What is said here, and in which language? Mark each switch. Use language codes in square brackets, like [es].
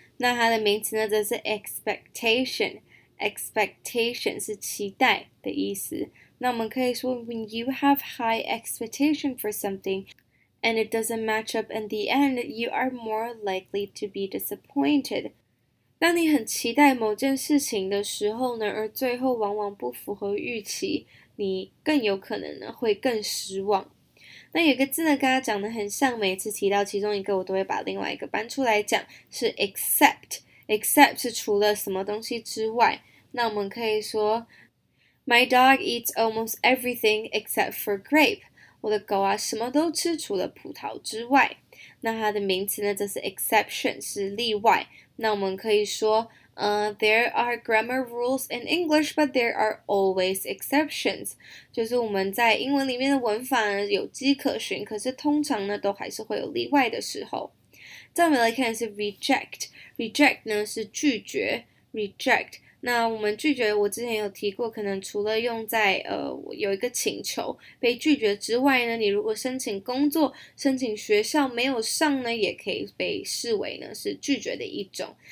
[zh] 那它的名词呢则是 expectation， expectation 是期待的意思。那我们可以说 [en] when you have high expectation for somethingAnd it doesn't match up in the end, you are more likely to be disappointed. [zh] 当你很期待某件事情的时候呢，而最后往往不符合预期，你更有可能呢，会更失望。那有个字呢，跟它讲得很像，每次提到其中一个，我都会把另外一个搬出来讲，是 except。 except 是除了什么东西之外。那我们可以说 , [en] My dog eats almost everything except for grape. [zh] 我的狗啊什么都吃除了葡萄之外。那它的名词呢则是 exception, 是例外。那我们可以说 [en] there are grammar rules in English, but there are always exceptions. [zh] 就是我们在英文里面的文法呢有迹可循，可是通常呢都还是会有例外的时候。再我们来看是 reject。reject 呢是拒绝。reject。那我们拒绝我之前有提过可能除了用在有一个请求被拒绝之外呢你如果申请工作申请学校没有上呢也可以被视为呢是拒绝的一种。